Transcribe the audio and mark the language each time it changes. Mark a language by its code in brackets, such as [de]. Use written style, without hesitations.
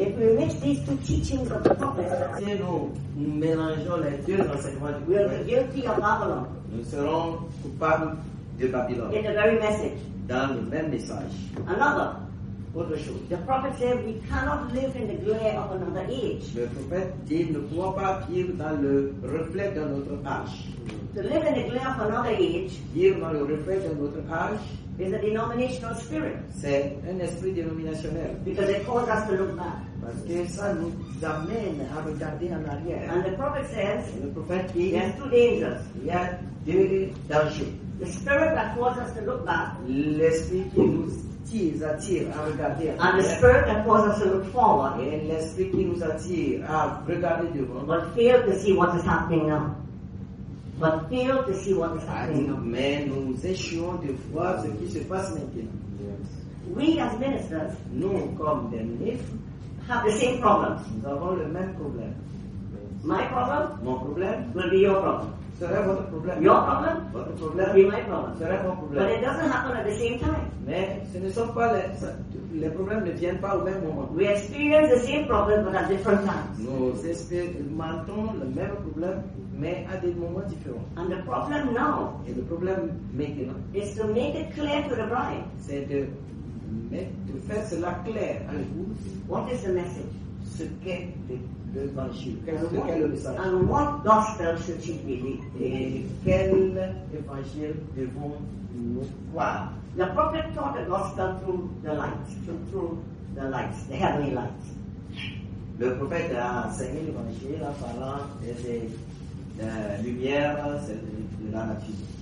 [en] if we mix these two teachings of the prophet, [fr] si nous mélangeons les deux enseignements, [en] we will be guilty of Babylon. [fr] Nous serons coupables de Babylone. [en] In the very message. [fr] Dans le même message. [en] Another. [fr] Autre chose. [en] The prophet said we cannot live in the glare of another age. [fr] Le prophète dit nous ne pouvons pas vivre dans le reflet de notre âge. [en] To live in the glare of another age, [fr] vivre dans le reflet de notre âge, [en] is a denominational spirit. [fr] C'est un esprit dénominationnel. [en] Because it causes us to look back. [fr] Parce que ça nous amène à regarder en arrière. [en] And the prophet says, [fr] le prophète dit, [en] there are two dangers. [fr] Il y a deux dangers. [en] The spirit that causes us to look back, [fr] l'esprit qui nous [en] and the spirit that causes us to look forward, [fr] et l'esprit qui nous attire à regarder devant, [en] but fail to see what is happening now. But fail to see what is happening now. [fr] Mais nous échouons de voir ce qui se passe maintenant. [en] We as ministers, [fr] nous comme des ministres, [en] have the same problems. [fr] Nous avons le même problème. [en] My problem, [fr] mon problème, [en] will be your problem. [fr] Serait votre problème. [en] Your problem? [fr] Votre problème. [en] Be my problem. [fr] Serait mon problème. [en] But it doesn't happen at the same time. [fr] Mais ce ne sont pas les, les problèmes ne viennent pas au même moment. [en] We experience the same problem but at different times. [fr] Nous expérimentons le même problème mais à des moments différents. [en] And the problem now. [fr] Et le problème maintenant. [en] Is to make it clear to the bride. [fr] C'est de mettre, de faire cela clair à l'épouse. [en] What is the message? [fr] Ce qu'est [en] and what gospel should she believe? [fr] Quel évangile devons-nous croire? [en] The prophet taught the gospel through the light, through the lights, the heavenly lights. [fr] Le prophète a enseigné l'évangile en parlant de lumière, c'est de la nature.